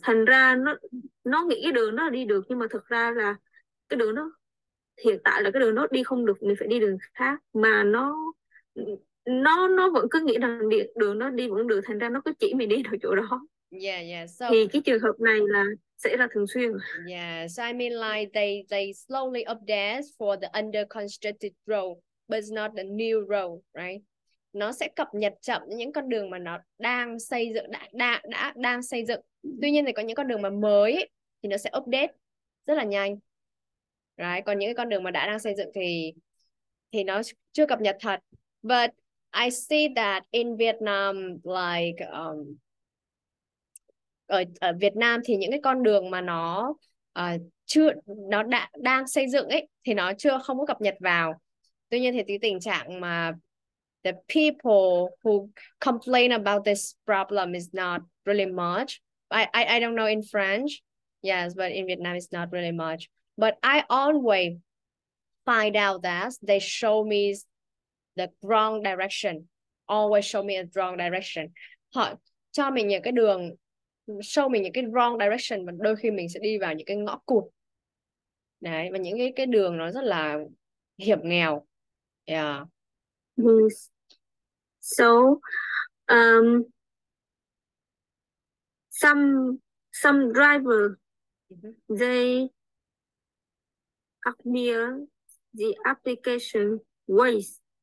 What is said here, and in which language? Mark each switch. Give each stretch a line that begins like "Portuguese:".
Vietnamese: Thành ra nó nghĩ cái đường nó đi được nhưng mà thực ra là cái đường nó hiện tại là cái đường nó đi không được, mình phải đi đường khác, mà nó vẫn cứ nghĩ rằng đường nó đi vẫn được, thành ra nó cứ chỉ mình đi được chỗ đó.
English: Yeah, yeah. So
Vietnamese: thì cái trường hợp này là xảy ra thường xuyên.
English: Yeah, so I mean like they slowly update for the under constructed road but not the new road, right?
Vietnamese: Nó sẽ cập nhật chậm những con đường mà nó đang xây dựng, đã đang xây dựng. Tuy nhiên thì có những con đường mà mới thì nó sẽ update rất là nhanh. Right? Còn những cái con đường mà đã đang xây dựng thì nó chưa cập nhật thật.
English: But I see that in Vietnam, like
Vietnamese: ở Việt Nam thì những cái con đường mà nó chưa, nó đã đang xây dựng ấy thì nó chưa không có cập nhật vào. Tuy nhiên thì tình trạng mà
English: the people who complain about this problem is not really much. I don't know in French, yes, but in Vietnam it's not really much. But I always find out that they show me the wrong direction. Always show me a wrong direction.
Vietnamese: Họ cho mình những cái đường, show mình những cái wrong direction, và đôi khi mình sẽ đi vào những cái ngõ cụt. Đấy, và những cái đường nó rất là hiểm nghèo.
English: Yeah. So some driver they admire the application ways.